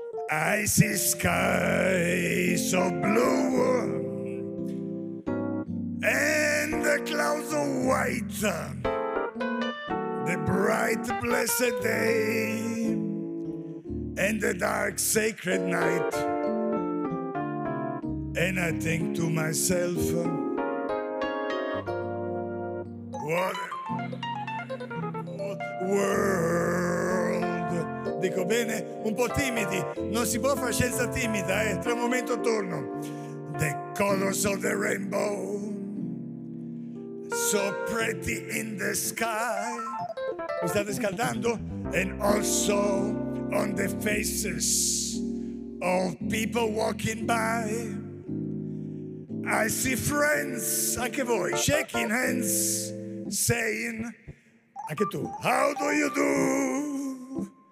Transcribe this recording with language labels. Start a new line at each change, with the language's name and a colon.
English: I see skies of blue and the clouds of white, the bright blessed day and the dark sacred night. And I think to myself, what a world.
Italian: Dico bene? Un po' timidi, non si può fare scienza timida, eh? Tra un momento torno.
English: The colors of the rainbow, so pretty in the sky.
Italian: Mi state scaldando?
English: And also on the faces of people walking by, I see friends,
Italian: anche voi,
English: shaking hands, saying,
Italian: anche tu,
English: how do you do?